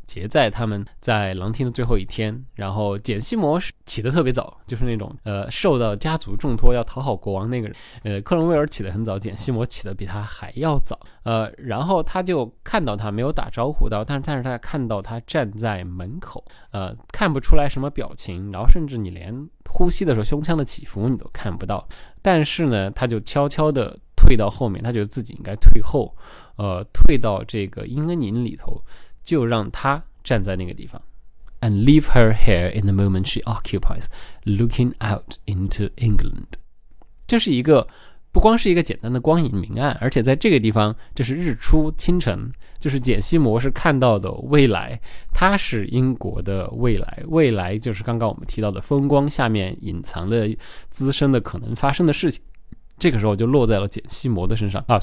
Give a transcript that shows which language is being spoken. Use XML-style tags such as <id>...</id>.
<zh>结在他们在廊厅的最后一天，然后简西摩起得特别早，就是那种受到家族重托要讨好国王那个人，克隆威尔起得很早，简西摩起得比他还要早，然后他就看到他，没有打招呼到，但是他看到他站在门口，看不出来什么表情，然后甚至你连呼吸的时候胸腔的起伏你都看不到，但是呢他就悄悄的退到后面，他觉得自己应该退后，退到这个阴恩宁里头，就让他站在那个地方。</zh> <en>And leave her here in the moment she occupies, looking out into England.</en> <zh>这是一个不光是一个简单的光影明暗，而且在这个地方这是日出清晨，就是简西摩是看到的未来，他是英国的未来，未来就是刚刚我们提到的风光下面隐藏的滋生的可能发生的事情，这个时候就落在了简西摩的身上啊。</zh>